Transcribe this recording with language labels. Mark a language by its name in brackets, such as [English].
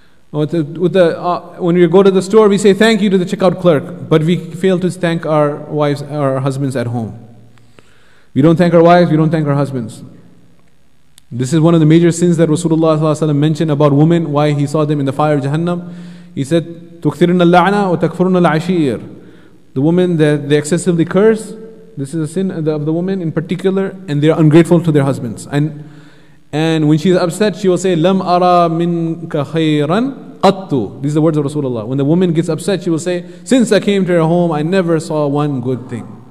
[English] When we go to the store, we say thank you to the checkout clerk, but we fail to thank our wives or our husbands at home. We don't thank our wives, we don't thank our husbands. This is one of the major sins that Rasulullah ﷺ mentioned about women, why he saw them in the fire of Jahannam. He said, [Arabic] تُكْثِرُنَ اللَّعْنَ وَتَكْفُرُنَ الْعَشِيرُ. [English] The woman that they excessively curse, this is a sin of the woman in particular, and they are ungrateful to their husbands. And when she is upset, she will say, [Arabic] لَمْ أَرَى مِنْكَ خَيْرًا قَطُّ. [English] These are the words of Rasulullah. When the woman gets upset, she will say, since I came to your home, I never saw one good thing.